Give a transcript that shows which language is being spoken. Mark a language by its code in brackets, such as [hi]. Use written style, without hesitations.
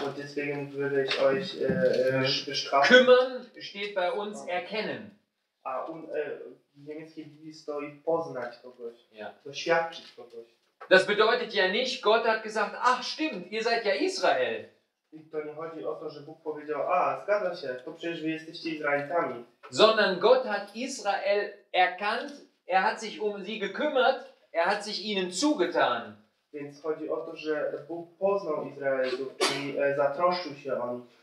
[de] Und deswegen würde ich euch bestrafen. Kümmern steht bei uns erkennen. [pl] Ah, [de] und [pl] niemiecki stoi poznać kogoś. [de] Ja. [pl] Doświadczyć kogoś. [de] Das bedeutet ja nicht, Gott hat gesagt, ach stimmt, ihr seid ja Israel. [pl] I to nie chodzi o to, że Bóg powiedział, a zgadza się, to przecież wy jesteście Izraelitami. [de] Sondern Gott hat Israel erkannt, er hat sich um sie gekümmert, er hat sich ihnen zugetan. [pl] Więc chodzi o to, że Bóg poznał Izraelitów i zatroszczył się o nich.